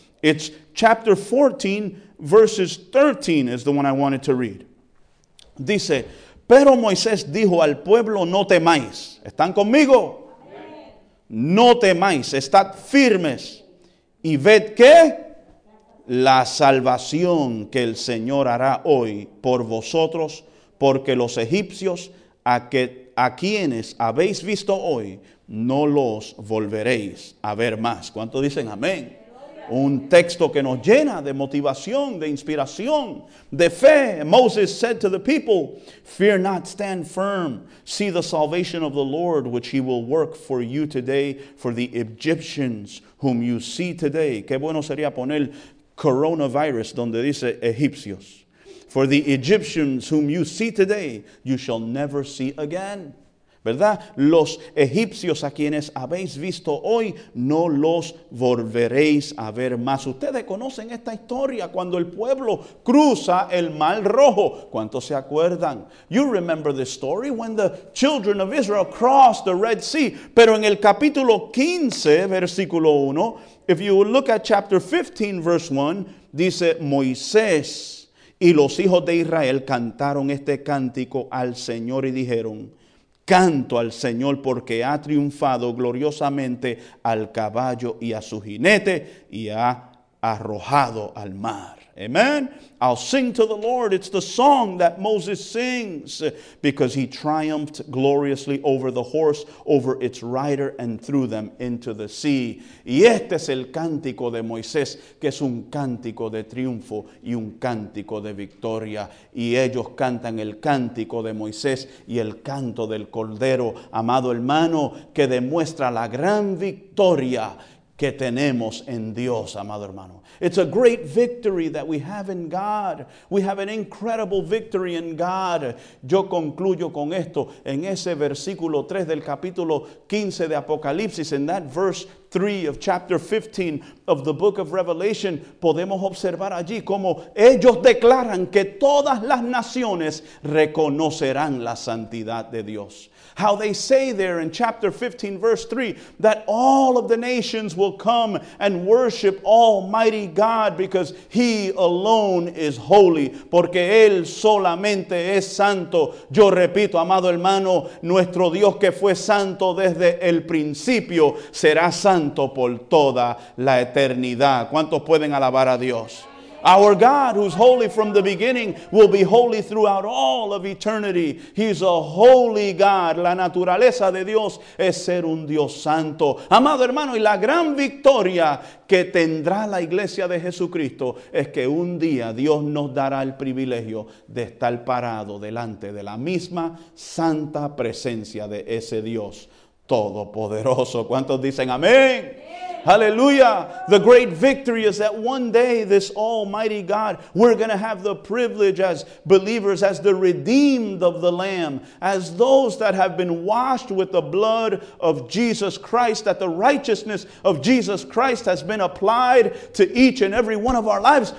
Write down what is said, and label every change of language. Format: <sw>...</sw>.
<en>It's chapter 14, verses 13 is the one I wanted to read.</en> <es>Dice, pero Moisés dijo al pueblo, no temáis. ¿Están conmigo? No temáis. Estad firmes. Y ved que la salvación que el Señor hará hoy por vosotros, porque los egipcios a quienes habéis visto hoy, no los volveréis a ver más. ¿Cuántos dicen amén? Un texto que nos llena de motivación, de inspiración, de fe.</es> <en>Moses said to the people, fear not, stand firm. See the salvation of the Lord, which he will work for you today, for the Egyptians whom you see today.</en> <es>Qué bueno sería poner coronavirus, donde dice egipcios.</es> <en>For the Egyptians whom you see today, you shall never see again.</en> <es>¿Verdad? Los egipcios a quienes habéis visto hoy, no los volveréis a ver más. Ustedes conocen esta historia cuando el pueblo cruza el Mar Rojo. ¿Cuántos se acuerdan?</es> <en>You remember the story when the children of Israel crossed the Red Sea.</en> <es>Pero en el capítulo 15, versículo 1,</es> <en>if you look at chapter 15, verse 1,</en> <es>dice Moisés y los hijos de Israel cantaron este cántico al Señor y dijeron, canto al Señor porque ha triunfado gloriosamente al caballo y a su jinete y ha arrojado al mar.</es> <en>Amen. I'll sing to the Lord. It's the song that Moses sings because he triumphed gloriously over the horse, over its rider, and threw them into the sea.</en> <es>Y este es el cántico de Moisés, que es un cántico de triunfo y un cántico de victoria. Y ellos cantan el cántico de Moisés y el canto del Cordero, amado hermano, que demuestra la gran victoria que tenemos en Dios, amado hermano.</es> <en>It's a great victory that we have in God. We have an incredible victory in God.</en> <es>Yo concluyo con esto en ese versículo 3 del capítulo 15 de Apocalipsis.</es> <en>In that verse 3 of chapter 15 of the book of Revelation,</en> <es>podemos observar allí como ellos declaran que todas las naciones reconocerán la santidad de Dios.</es> <en>How they say there in chapter 15, verse 3, that all of the nations will come and worship Almighty God because He alone is holy.</en> <es>Porque Él solamente es santo. Yo repito, amado hermano, nuestro Dios que fue santo desde el principio será santo por toda la eternidad. ¿Cuántos pueden alabar a Dios?</es> <en>Our God, who's holy from the beginning, will be holy throughout all of eternity. He's a holy God.</en> <es>La naturaleza de Dios es ser un Dios santo. Amado hermano, y la gran victoria que tendrá la iglesia de Jesucristo es que un día Dios nos dará el privilegio de estar parado delante de la misma santa presencia de ese Dios todopoderoso. ¿Cuántos dicen amén? Hallelujah.</es> <en>The great victory is that one day this almighty God, we're going to have the privilege as believers, as the redeemed of the Lamb, as those that have been washed with the blood of Jesus Christ, that the righteousness of Jesus Christ has been applied to each and every one of our lives.</en>